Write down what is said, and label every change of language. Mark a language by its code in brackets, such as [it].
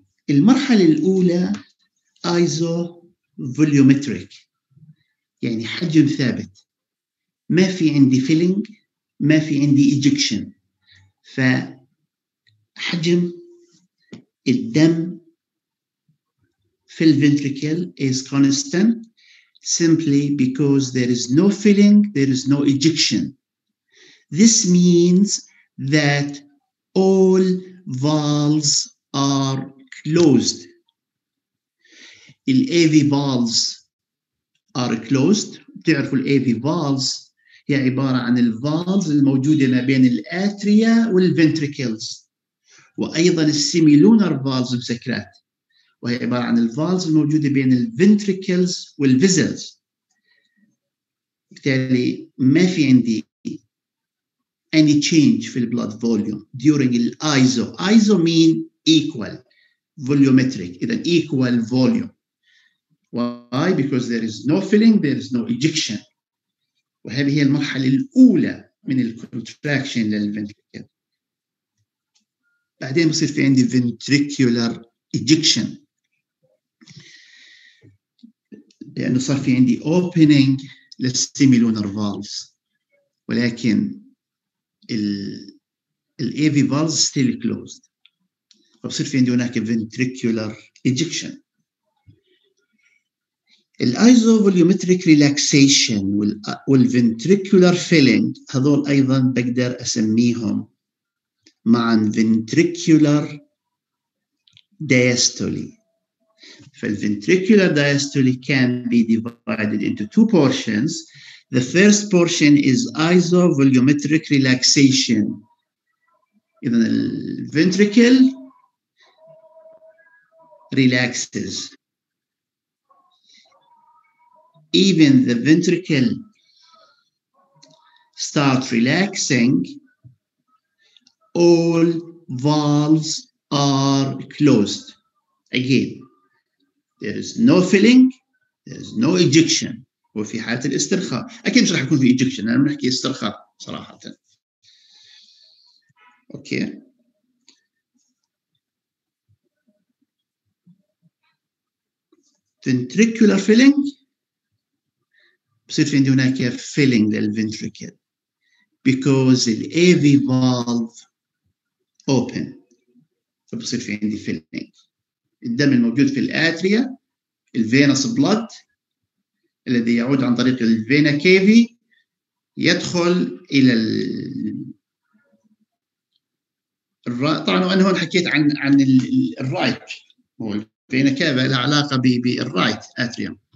[ar] المرحلة الأولى isovolumetric يعني حجم ثابت، ما في عندي filling، ما في عندي ejection، فحجم الدم في الventricle is constant [en] simply because there is no filling, there is no ejection. This means that all valves are closed. The AV valves are closed. [ar] تعرفوا الـ AV valves هي عبارة عن الـ valves الموجودة ما بين الـ atria والـ ventricles وأيضاً الـ semilunar valves بسكرات وهي عبارة عن الـ valves الموجودة بين الـ ventricles والـ vessels. بالتالي ما في عندي any change في الـ blood volume during الـ iso. [en] iso mean equal volumetric, إذن equal volume. Why? Because there is no filling, there is no ejection. [ar] وهذه هي المرحلة الأولى من الكونتراكشن للفنتريكل. بعدين بصير في عندي ventricular ejection. لأنه صار في عندي opening للسيميلونر valves. [en] ولكن الـ AV valves still closed. [ar] فبصير في عندي هناك ventricular ejection. الايزوفوليومتريك ريلاكسيشن والفنتريكولار فيلينج هذول ايضا بقدر اسميهم معا فنتريكولار دايستولي. [en] فالفنتريكولار diastole can be divided into two portions. The first portion is isovolumetric relaxation. [ar] اذا الفنتريكل ريلاكسز. [en] Even the ventricle start relaxing, all valves are closed. Again, there is no filling, there is no ejection. [ar] وفي حالة الاسترخاء أكيد مش راح يكون في ejection. أنا بنحكي استرخاء صراحة. [en] Okay. Ventricular filling. بصير في عندي هناك filling للventricle because the AV valve open. [ar] فبصير في عندي filling. الدم الموجود في الاتريا venous blood الذي يعود عن طريق الفينا كيفي يدخل إلى الرأس. طبعا أنا هون حكيت عن الرايت. هو الفينا كيفي لها علاقة بالرايت atrium.